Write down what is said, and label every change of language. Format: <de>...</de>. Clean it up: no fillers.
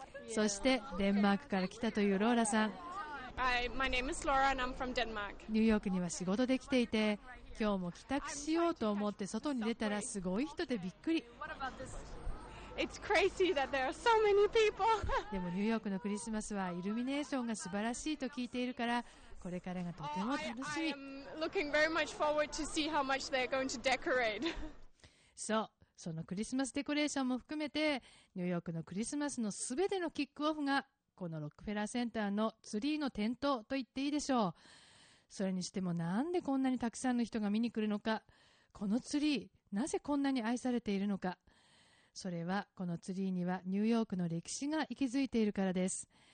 <ja>そしてデンマークから来たというローラさん。ニューヨークには仕事で来ていて、今日も帰宅しようと思って外に出たらすごい人でびっくり。</ja> <en>It's crazy that there are so many people.</en> <ja>でもニューヨークのクリスマスはイルミネーションが素晴らしいと聞いているから、これからがとても楽しみ。</ja> <en>I am looking very much forward to see how much they're going to decorate.</en> <ja>そう、そのクリスマスデコレーションも含めて、ニューヨークのクリスマスのすべてのキックオフが、このロックフェラーセンターのツリーの点灯と言っていいでしょう。それにしてもなんでこんなにたくさんの人が見に来るのか、このツリーなぜこんなに愛されているのか、それはこのツリーにはニューヨークの歴史が息づいているからです。</ja>